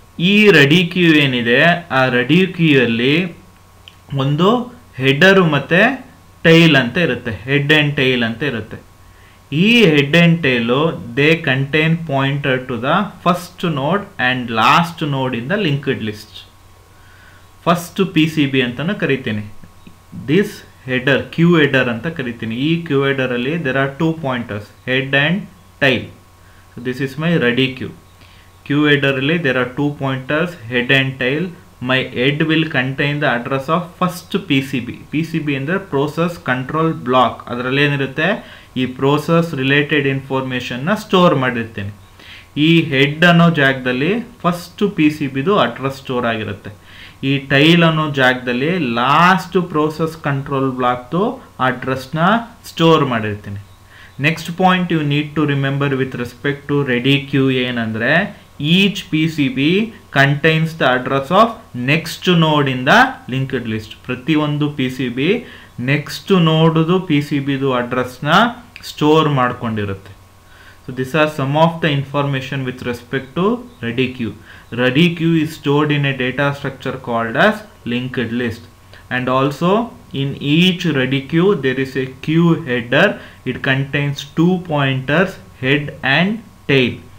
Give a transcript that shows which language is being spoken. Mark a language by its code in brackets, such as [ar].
[kn] ಈ ready Q ಏನಿದೆ, ಆ ರೆಡಿ ಕ್ಯೂಯಲ್ಲಿ ಒಂದು ಹೆಡ್ಡರು ಮತ್ತು ಟೈಲ್ ಅಂತ ಇರುತ್ತೆ, ಹೆಡ್ ಆ್ಯಂಡ್ ಟೈಲ್ ಅಂತ ಇರುತ್ತೆ. [en] ಈ head and tail they contain pointer to the first node and last node in the linked list. [kn] First P C B ಅಂತಲೂ ಕರಿತೀನಿ. [en] this [kn] header, queue header anta karitini. E [en] queue header [kn] ali [en] there are two pointers, head and tail. So this is my ready queue. Queue header [kn] ali [en] there are two pointers, head and tail. My head will contain the address of first PCB. PCB in the process control block. [kn] Adrale enirutte ee process related information na store madirtene. ಈ head ಅನ್ನೋ ಜಾಗದಲ್ಲಿ first P C ಬಿದು address store ಆಗಿರುತ್ತೆ. ಈ tail ಅನ್ನೋ ಜಾಗದಲ್ಲಿ last process control ಬ್ಲಾಕ್ದು ಅಡ್ರೆಸ್ನ store ಮಾಡಿರ್ತೀನಿ. [en] next point you need to remember with respect to ready queue [kn] ಏನಂದರೆ, [en] Each P C B contains the address of next node in the linked list. [kn] ಪ್ರತಿಯೊಂದು P C B next ನೋಡ್ದು P C ಬಿದು ಅಡ್ರೆಸ್ನ store ಮಾಡ್ಕೊಂಡಿರುತ್ತೆ. [en] So these are some of the information with respect to ready queue. Ready queue is stored in a data structure called as linked list. And also in each ready queue there is a queue header. It contains two pointers, head and tail.